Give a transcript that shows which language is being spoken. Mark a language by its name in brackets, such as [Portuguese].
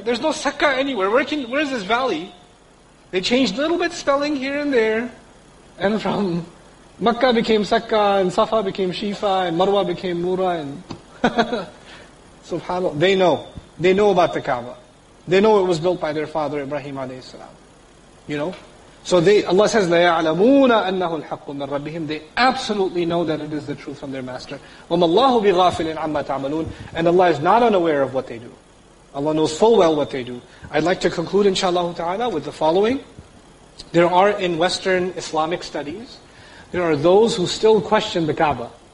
[English] There's no Sakka anywhere. Where is this valley? They changed a little bit spelling here and there. And from Mecca became Sakka, and Safa became Shifa, and Marwa became Mura. And SubhanAllah. They know. They know about the Kaaba. They know it was built by their father Ibrahim alayhi salam. You know? So they, Allah says, [Arabic] لَا يَعْلَمُونَ أَنَّهُ الْحَقُّ مِنْ رَبِّهِمْ. [English] They absolutely know that it is the truth from their master. [Arabic] وَمَا اللَّهُ بِغَافِلٍ عَمَّا تَعْمَلُونَ. [English] And Allah is not unaware of what they do. Allah knows full well what they do. I'd like to conclude, inshallah ta'ala, with the following. There are, in Western Islamic studies, there are those who still question the Kaaba.